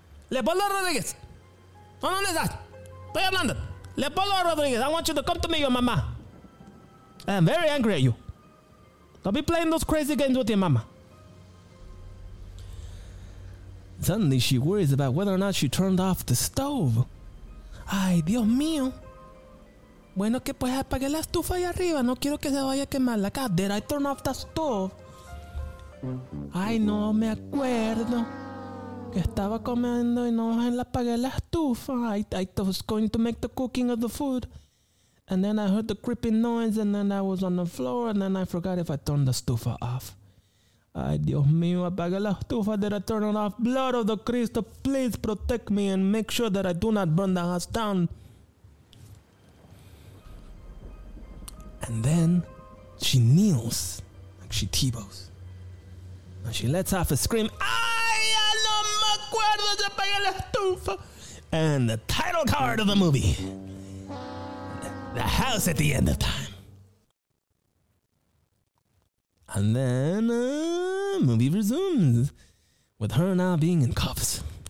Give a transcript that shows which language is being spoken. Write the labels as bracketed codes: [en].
[es] Leopoldo Rodriguez. ¿Dónde estás? Estoy hablando. [en] Leopoldo Rodriguez, I want you to come to me, your mama. I'm very angry at you. Don't be playing those crazy games with your mama. Suddenly she worries about whether or not she turned off the stove. [es] Ay, Dios mío. Bueno, que pues apague la estufa allá arriba. No quiero que se vaya a quemar la casa. [en] Did I turn off the stove? [es] Ay, no me acuerdo. Que estaba comiendo y no apague la estufa. [en] I was going to make the cooking of the food. And then I heard the creeping noise, and then I was on the floor, and then I forgot if I turned the estufa off. [es] Ay, Dios mío, apague la estufa. [en] Did I turn it off? Blood of the Cristo, please protect me and make sure that I do not burn the house down. And then she kneels, like she Tebows. And she lets off a scream. [es] Ay, no me acuerdo, ya apagué la estufa. [en] and the title card of the movie, The House at the End of Time. And then the movie resumes with her now being in cuffs.